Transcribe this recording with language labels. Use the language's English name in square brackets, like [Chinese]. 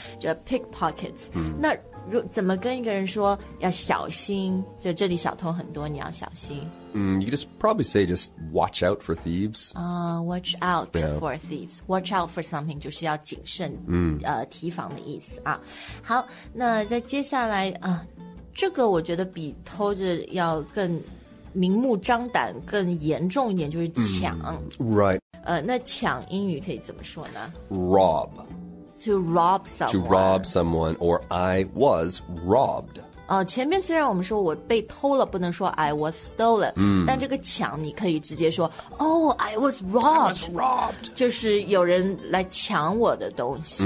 [Chinese] yep. 就 pickpockets、mm. 那怎么跟一个人说要小心就这里小偷很多你要小心、 [English] mm, You just probably say just watch out for thieves、 Watch out、yeah. for thieves Watch out for something [Chinese] 就是要谨慎、 mm. 提防的意思啊。好那在接下来啊、这个我觉得比偷着要更明目张胆更严重一点就是抢、mm, [English] Right、 [Chinese] 那抢英语可以怎么说呢 [English] Rob To rob someone. To rob someone, or I was robbed. [Chinese] 前面虽然我们说我被偷了，不能说 [English] I was stolen.、 Mm. [Chinese] 但这个抢你可以直接说 [English] Oh, I was robbed. I was robbed. [Chinese] 就是有人来抢我的东西、